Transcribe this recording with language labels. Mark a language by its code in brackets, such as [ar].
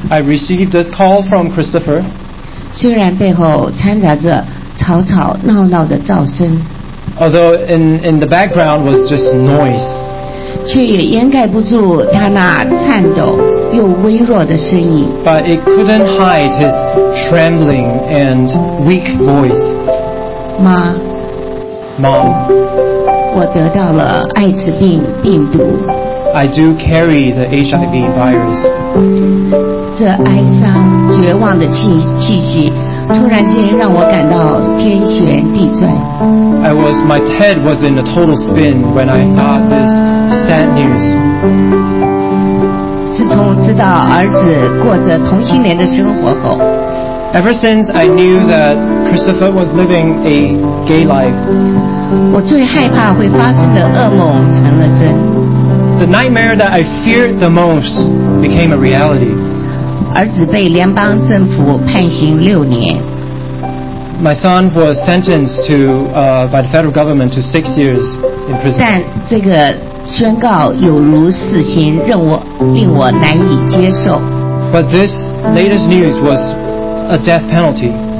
[en] I received this call from Christopher. [zh] 虽然背后掺杂着吵吵闹闹的噪声。 [en] Although in the background was just noise, [zh] 却也掩盖不住他那颤抖又微弱的声音。 [en] But it couldn't hide his trembling and weak voice. [zh] 妈。 [en] Mom, [zh] 我得到了艾滋病病毒。 [en] I do carry the HIV virus. [zh] 这哀伤绝望的气息突然间让我感到天旋地转。 [en] My head was in a total spin when I got this sad news. [zh] 自从知道儿子过着同性恋的生活后。 [en] Ever since I knew that Christopher was living a gay life, [zh] 我最害怕会发生的噩梦成了真。 [en] The nightmare that I feared the most became a reality. [zh] 儿子被联邦政府判刑六年。 [en] My son was sentenced to by the federal government to 6 years in prison. [zh] 但这个宣告有如死刑，令我难以接受。 [en] But this latest news was. A death penalty.